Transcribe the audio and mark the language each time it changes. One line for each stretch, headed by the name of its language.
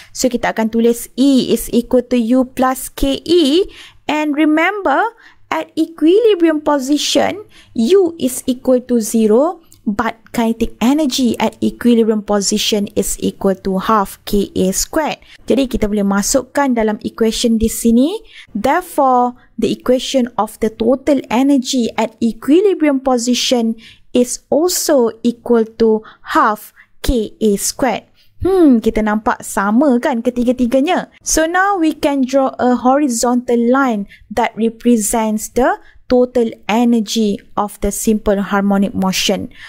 English: So
Malay: kita akan tulis
English: E is equal to U plus KE. And remember, at equilibrium position, U is equal to 0, but kinetic energy at equilibrium position is equal to half KA squared.
Malay: Jadi kita boleh masukkan dalam equation di sini.
English: Therefore, the equation of the total energy at equilibrium position is also equal to half KA squared.
Malay: Kita nampak sama kan ketiga-tiganya.
English: So now we can draw a horizontal line that represents the total energy of the simple harmonic motion.